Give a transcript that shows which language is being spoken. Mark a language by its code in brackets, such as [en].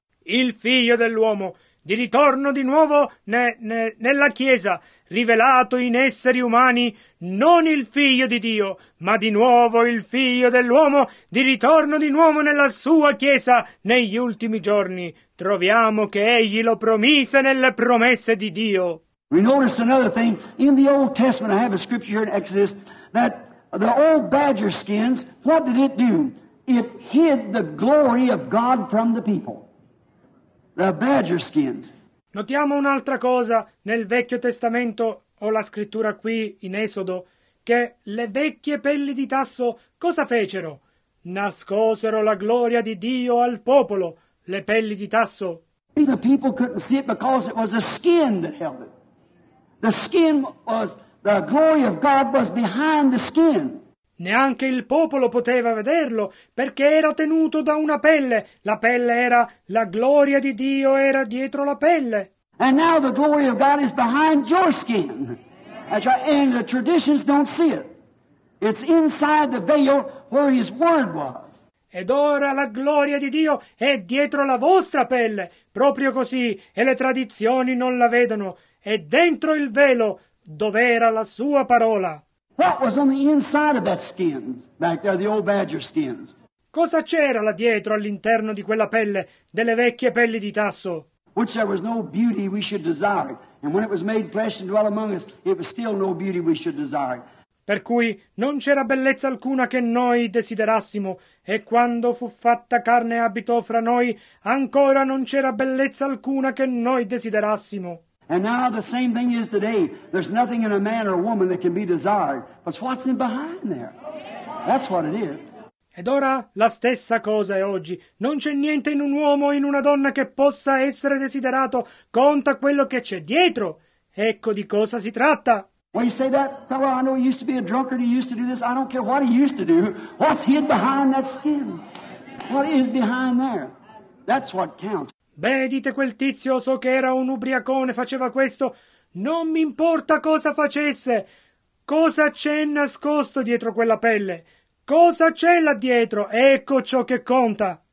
[it] Il Figlio dell'uomo, di ritorno di nuovo nella Chiesa, rivelato in esseri umani, non il Figlio di Dio, ma di nuovo il Figlio dell'uomo, di ritorno di nuovo nella sua Chiesa, negli ultimi giorni. Troviamo che egli lo promise nelle promesse di Dio. [en] We notice another thing in the Old Testament. I have a scripture here in Exodus that the old badger skins, what did it do? It hid the glory of God from the people. The badger skins. [it] Notiamo un'altra cosa nel Vecchio Testamento, o la scrittura qui in Esodo, che le vecchie pelli di tasso cosa fecero? Nascosero la gloria di Dio al popolo. Le pelli di tasso. [en] The people couldn't see it because it was a skin that held it. The skin was, the glory of God was behind the skin. [it] Neanche il popolo poteva vederlo perché era tenuto da una pelle. La pelle era, la gloria di Dio era dietro la pelle. [en] And now the glory of God is behind your skin. That's right. And the traditions don't see it. It's inside the veil where His Word was. [it] Ed ora la gloria di Dio è dietro la vostra pelle, proprio così, e le tradizioni non la vedono, è dentro il velo dov'era la sua parola. [en] What was on the inside of that skin back there, the old badger skins? [it] Cosa c'era là dietro all'interno di quella pelle, delle vecchie pelli di tasso? [en] Which there was no beauty we should desire, and when it was made flesh and dwelt among us, it was still no beauty we should desire. [it] Per cui non c'era bellezza alcuna che noi desiderassimo, e quando fu fatta carne e abitò fra noi, ancora non c'era bellezza alcuna che noi desiderassimo. [en] And now the same thing is today. There's nothing in a man or a woman that can be desired, but what's in behind there? That's what it is. [it] Ed ora la stessa cosa è oggi. Non c'è niente in un uomo o in una donna che possa essere desiderato. Conta quello che c'è dietro. Ecco di cosa si tratta. [en] Well, you say that fellow, I know he used to be a drunkard, he used to do this, I don't care what he used to do, what's hid behind that skin? What is behind there? That's what counts. [it] Beh, dite quel tizio, so che era un ubriacone, faceva questo, non mi importa cosa facesse, cosa c'è nascosto dietro quella pelle, cosa c'è là dietro, ecco ciò che conta.